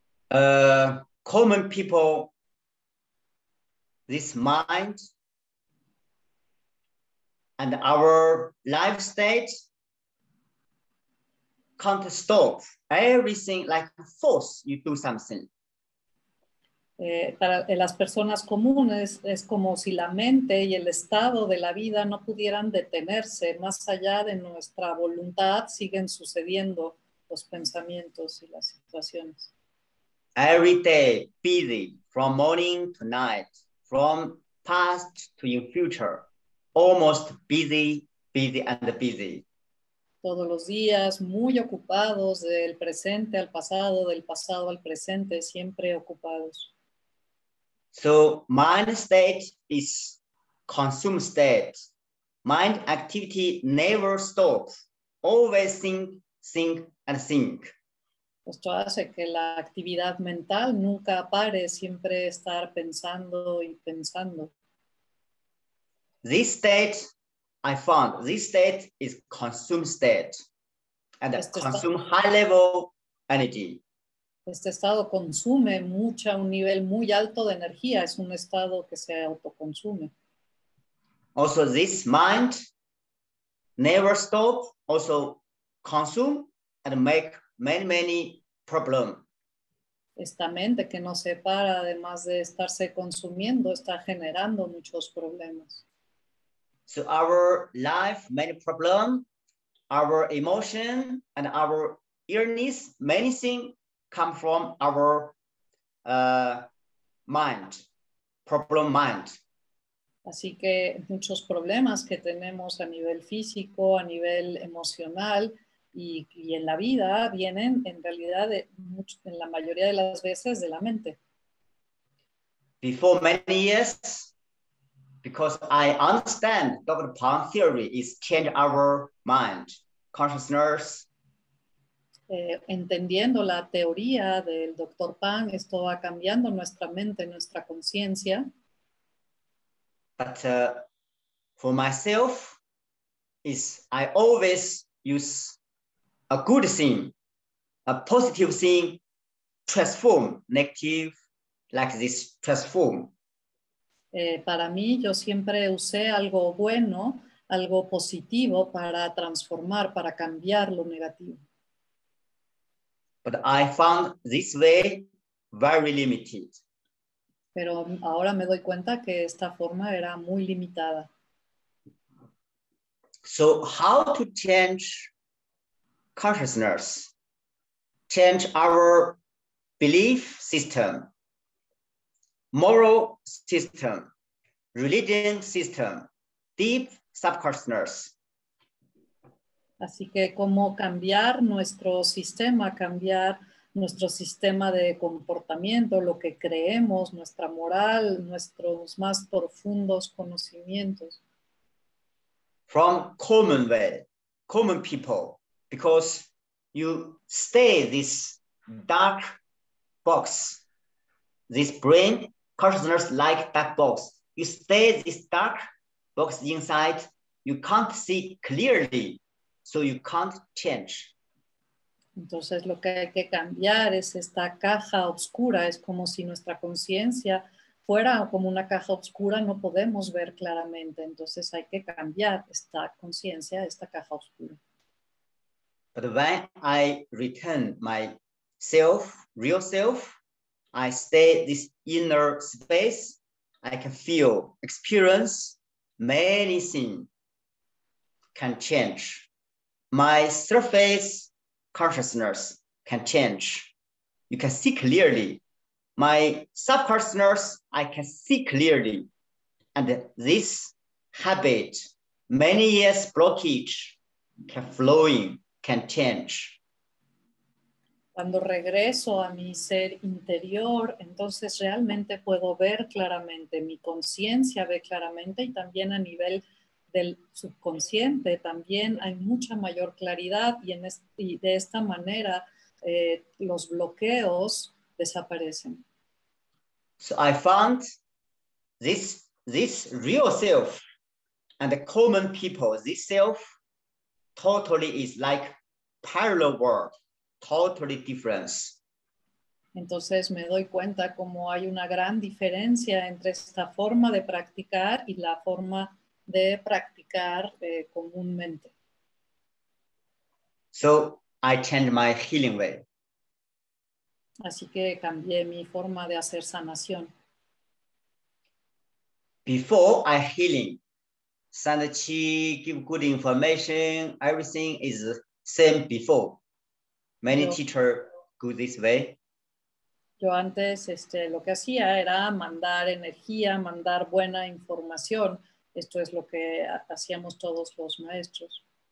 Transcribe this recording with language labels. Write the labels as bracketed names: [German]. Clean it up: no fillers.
[English] Common people, this mind and our life state can't stop everything like force you do something. [Spanish] Para las personas comunes es como si la mente y el estado de la vida no pudieran detenerse más allá de nuestra voluntad, siguen sucediendo los pensamientos y las situaciones. [English] Every day busy from morning to night, from past to in future, almost busy, busy and busy. [Spanish] Todos los días muy ocupados del presente al pasado, del pasado al presente, siempre ocupados. [English] So mind state is consumed state. Mind activity never stops. Always think and think. [Spanish] Esto hace que la actividad mental nunca pare, siempre estar pensando y pensando. [English] This state is consumed state. And consume high level energy. [Spanish] Este estado consume mucha, un nivel muy alto de energía. Es un estado que se autoconsume. [English] Also, this mind never stops, also consume and make many, many problems. [Spanish] Esta mente que no se para, además de estarse consumiendo, está generando muchos problemas. [English] So our life, many problems, our emotion and our illness, many things come from our mind, problem mind. [Spanish] Así que muchos problemas que tenemos a nivel físico, a nivel emocional y en la vida vienen en realidad de mucho, en la mayoría de las veces de la mente. [English] Before many years, because I understand Dr. Pang theory is change our mind, consciousness. [Spanish] Entendiendo la teoría del Dr. Pang, esto va cambiando nuestra mente, nuestra conciencia. [English] But for myself, is I always use a good thing, a positive thing, transform negative, like this transform. [Spanish] Para mí, yo siempre usé algo bueno, algo positivo para transformar, para cambiar lo negativo. [English] But I found this way very limited. [Spanish] Pero ahora me doy cuenta que esta forma era muy limitada. [English] So how to change consciousness? Change our belief system, moral system, religion system, deep subconsciousness. [Spanish] Así que cómo cambiar nuestro sistema, cambiar nuestro sistema de comportamiento, lo que creemos, nuestra moral, nuestros más profundos conocimientos. [English] From common way, common people, because you stay this dark box, this brain consciousness like dark box. You stay this dark box inside, you can't see clearly, so you can't change. [Spanish] Entonces, lo que hay que cambiar es esta caja oscura. Es como si nuestra conciencia fuera como una caja oscura, no podemos ver claramente. Entonces, hay que cambiar esta conciencia, esta caja oscura. [English] But when I return my self, real self, I stay this inner space, I can feel, experience, many things can change. My surface consciousness can change. You can see clearly. My subconsciousness, I can see clearly. And this habit, many years blockage, can flowing, can change. [Spanish] Cuando regreso a mi ser interior, entonces realmente puedo ver claramente, mi conciencia ve claramente y también a nivel del subconsciente también hay mucha mayor claridad y, en y de esta manera los bloqueos desaparecen. [English] So I found this real self and the common people, this self totally is like parallel world, totally different. [Spanish] Entonces me doy cuenta como hay una gran diferencia entre esta forma de practicar y la forma de practicar comúnmente. [English] So I changed my healing way. [Spanish] Así que cambié mi forma de hacer sanación. [English] Before I healing, send the chi, give good information, everything is the same before. Many teachers go this way. [Spanish] Yo antes lo que hacía era mandar energía, mandar buena información. Esto es lo que hacíamos todos los maestros.